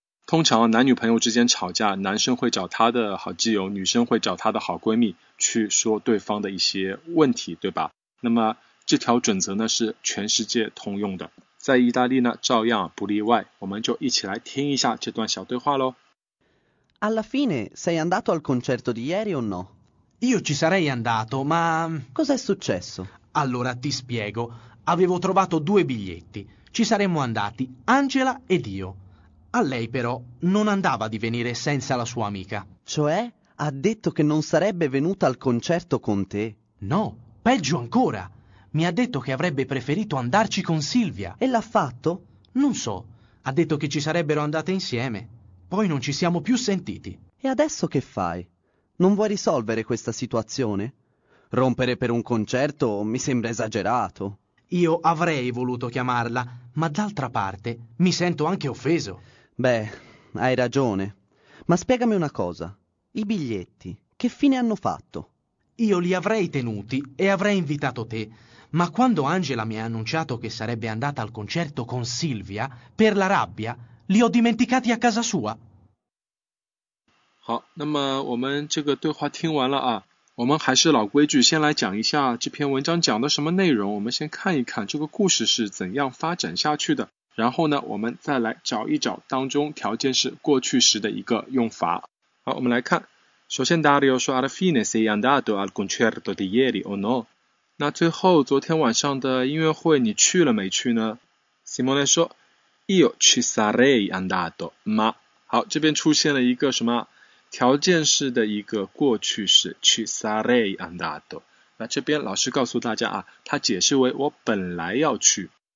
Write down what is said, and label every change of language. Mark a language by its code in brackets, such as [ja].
[zh] 通常男女朋友之间吵架，男生会找他的好基友，女生会找他的好闺蜜去说对方的一些问题，对吧？那么这条准则呢是全世界通用的，在意大利呢照样不例外。我们就一起来听一下这段小对话咯。 [it] Alla fine sei andato al concerto di ieri o no? Io ci sarei andato, ma... Cos'è successo? Allora ti spiego. Avevo trovato due biglietti. Ci saremmo andati, Angela ed io. A lei però non andava di venire senza la sua amica. Cioè? Ha detto che non sarebbe venuta al concerto con te? No, peggio ancora. Mi ha detto che avrebbe preferito andarci con Silvia. E l'ha fatto? Non so. Ha detto che ci sarebbero andate insieme. Poi non ci siamo più sentiti. E adesso che fai? Non vuoi risolvere questa situazione? Rompere per un concerto mi sembra esagerato. Io avrei voluto chiamarla, ma d'altra parte mi sento anche offeso. Beh, hai ragione. Ma spiegami una cosa. I biglietti, che fine hanno fatto? Io li avrei tenuti e avrei invitato te, ma quando Angela mi ha annunciato che sarebbe andata al concerto con Silvia, per la rabbia... Li ho dimenticati a casa sua。 [zh] 好，那么我们这个对话听完了啊，我们还是老规矩，先来讲一下这篇文章讲的什么内容，我们先看一看这个故事是怎样发展下去的，然后呢我们再来找一找当中条件式过去时的一个用法。好，我们来看，首先 Dario 说 [it] Alla fine sei andato al concerto di ieri o no？ [zh] 那最后昨天晚上的音乐会你去了没去呢？ Simone 说 [it] Io ci sarei andato, ma [zh] 好，这边出现了一个什么条件式的一个过去式 [it] ci sarei andato。 [zh] 那这边老师告诉大家啊，它解释为我本来要去。